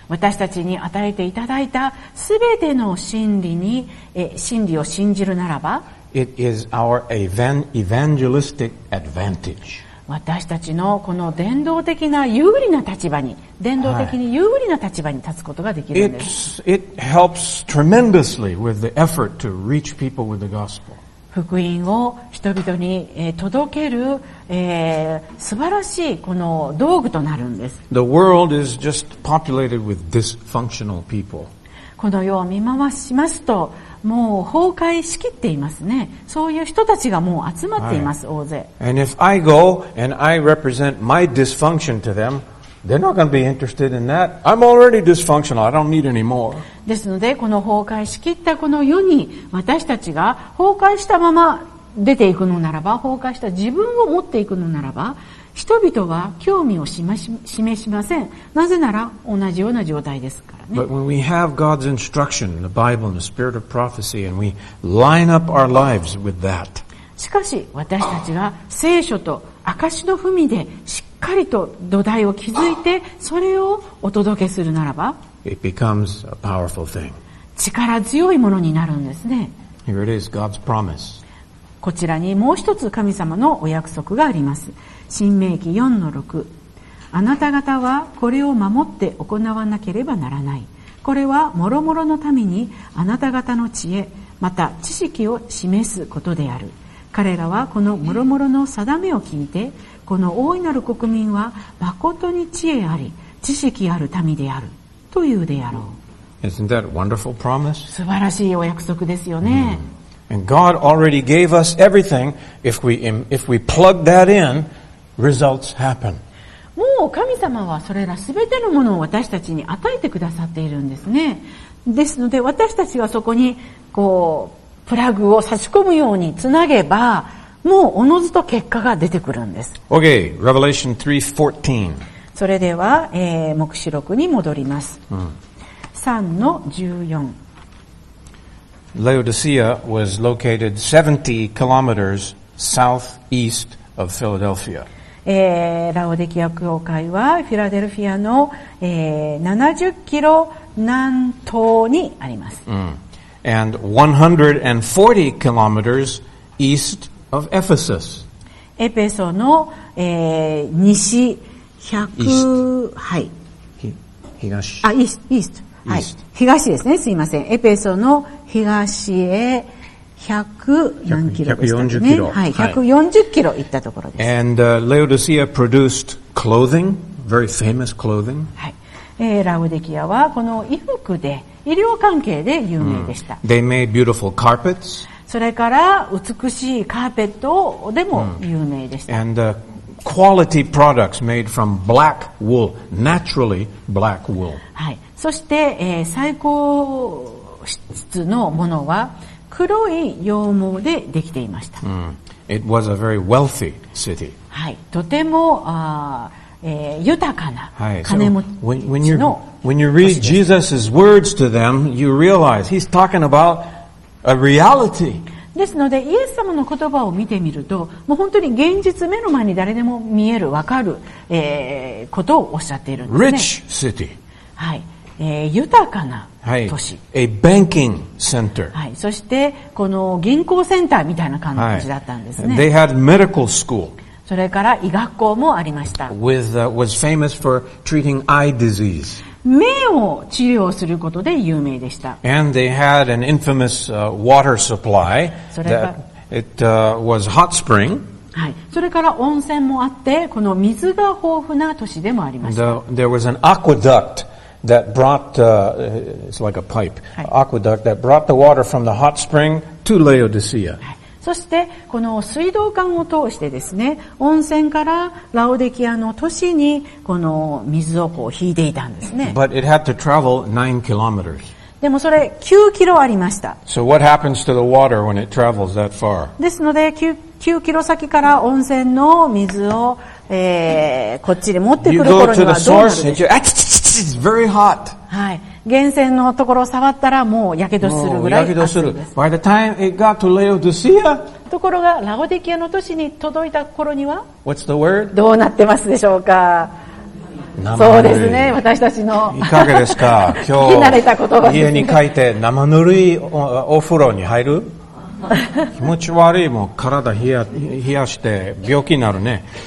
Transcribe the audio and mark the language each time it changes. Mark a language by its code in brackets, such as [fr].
[ja] 私たちに与えていただいたすべての真理に、真理を信じるならば、 [en] It is our evangelistic advantage. [ja] 私たちのこの伝道的な有利な立場に、伝道的に有利な立場に立つことができるんです。 [en] It helps tremendously with the effort to reach people with the gospel. [ja] 福音を人々に届ける、素晴らしいこの道具となるんです。 [en] The world is just populated with dysfunctional people. [ja] この世を見回しますと、もう崩壊しきっていますね。そういう人たちがもう集まっています、はい、大勢。 [en] And if I go and I represent my dysfunction to them, they're not going to be interested in that. I'm already dysfunctional. I don't need any more. [ja] ですので、この崩壊しきったこの世に、私たちが崩壊したまま出ていくのならば、崩壊した自分を持っていくのならば、人々は興味を示しません。なぜなら同じような状態ですからね。 [en] But when we have God's instruction, the Bible and the spirit of prophecy, and we line up our lives with that. [ja] しかし私たちが聖書と証の踏みでしっかりと土台を築いて、それをお届けするならば、 [en] It becomes a powerful thing. [ja] 力強いものになるんですね。 [en] Here it is, God's promise. [ja] こちらにもう一つ神様のお約束があります。申命記 4-6。あなた方はこれを守って行わなければならない。これは諸々の民にあなた方の知恵、また知識を示すことである。彼らはこの諸々の定めを聞いて、この大いなる国民は誠に知恵あり、知識ある民である。というであろう。 [en] Isn't that a wonderful promise? [ja] 素晴らしいお約束ですよね。 [en] And God already gave us everything. If we plug that in, results happen. [ja] もう神様はそれらすべてのものを私たちに与えてくださっているんですね。ですので私たちはそこにこうプラグを差し込むようにつなげば、もうおのずと結果が出てくるんです。 [en] Okay, Revelation 3:14. [ja] それでは、黙示録に戻ります。 3-14。 [en] Laodicea was located 70 kilometers southeast of Philadelphia. [ja] ラオデキア教会はフィラデルフィアの、70キロ南東にあります。 [en] And 140 kilometers east of Ephesus. [ja] エペソの、西東ですね、すいません。エペソの東へ140キロ行ったところです。 [en] And Laodicea produced clothing, very famous clothing. [ja] ラオデキアはこの衣服で医療関係で有名でした。 [en] They made beautiful carpets. [ja] それから美しいカーペットでも有名でした。 [en] And quality products made from black wool, naturally black wool. [ja] はい。そして、最高質のものは黒い羊毛でできていました。 [en] It was a very wealthy city. [ja] はい。とても、豊かな金持ちの都市です。 [en] So, when you read Jesus' words to them, you realize he's talking about a reality. [ja] ですので、イエス様の言葉を見てみると、もう本当に現実目の前に誰でも見える、わかる、ことをおっしゃっているんですね。 [en] Rich city. [ja] はい。豊かな都市。 [en] A banking center. [ja] はい。そして、この銀行センターみたいな感じだったんですね。 [en] They had medical school. [ja] それから医学校もありました。 [en] was famous for treating eye disease. [ja] 目を治療することで有名でした。 [en] And they had an infamous water supply that it was hot spring. [ja] はい。それから温泉もあって、この水が豊富な都市でもありました。 [en] There was an aqueduct that brought it's like a pipe aqueduct that brought the water from the hot spring to Laodicea.、 [ja] はい、そしてこの水道管を通してですね、温泉からラオデキアの都市にこの水をこう引いていたんですね。 [en] But it had to travel 9 kilometers. [ja] でもそれ9キロありました。 [en] So what happens to the water when it travels that far? [ja] ですので 9キロ先から温泉の水を、こっちで持ってくる頃にはどうなるでしょう。 [en] You go to the source, it's very hot. [ja] はい。源泉のところを触ったらもう火傷するぐらい熱いです。 [en] By the time it got to Laodicea, [ja] ところがラオデキアの都市に届いた頃には、 [en] What's the word? [ja] どうなってますでしょうか。そうですね、私たちのいかがですか。今日聞き慣れた言葉ですね。家に帰って生ぬるい お風呂に入る。気持ち悪い、もう体冷やして病気になるね。